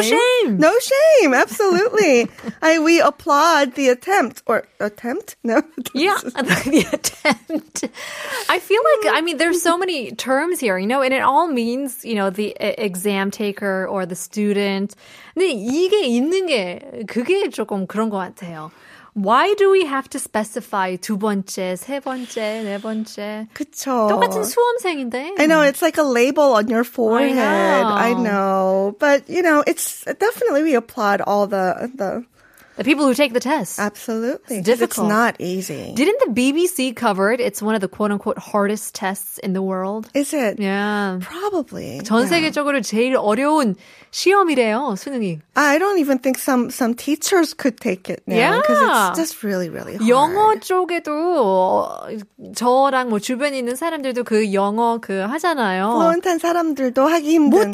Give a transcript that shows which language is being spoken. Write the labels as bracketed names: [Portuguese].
[English] No shame. No shame. Absolutely. We applaud the attempt. Or attempt? No. Yeah, the attempt. I feel like, I mean, there's so many terms here, you know, and it all means, you know, the exam taker or the student. [Korean] 근데 이게 있는 게 그게 조금 그런 것 같아요. [English] Why do we have to specify [Korean] 두 번째, 세 번째, 네 번째? 그쵸. 똑같은 수험생인데. [English] I know, it's like a label on your forehead. I know. But, you know, it's definitely we applaud all the people who take the test. Absolutely. It's difficult. It's not easy. Didn't the BBC cover it? It's one of the quote-unquote hardest tests in the world. Is it? Yeah. Probably. [Korean] 전 세계적으로 제일 어려운 시험이래요, 수능이. [English] I don't even think some teachers could take it now. Because it's just really, really hard. [Korean] 영어 쪽에도 저랑 뭐 주변에 있는 사람들도 그 영어 그 하잖아요. 플루언트한 사람들도 하기 힘든.